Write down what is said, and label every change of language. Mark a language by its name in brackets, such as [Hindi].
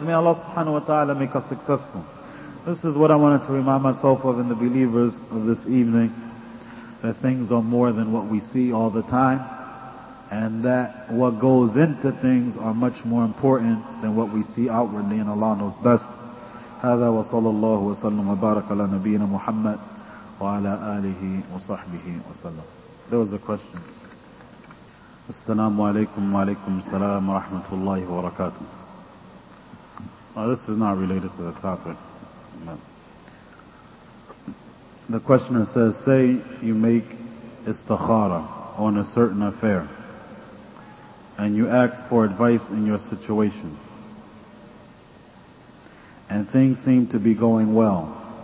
[English] May Allah subhanahu wa ta'ala make us successful. This is what I wanted to remind myself of and the believers of this evening. That things are more than what we see all the time. And that what goes into things are much more important than what we see outwardly, and Allah knows best. [Arabic] هذا وصلى الله وسلم وبارك على نبينا محمد وعلى آله وصحبه وسلم. [English] There was a question. [Arabic] السلام عليكم وعليكم السلام ورحمة الله وبركاته. [English] Now this is not related to the topic. The questioner says, say you make istikhara on a certain affair, and you ask for advice in your situation, and things seem to be going well.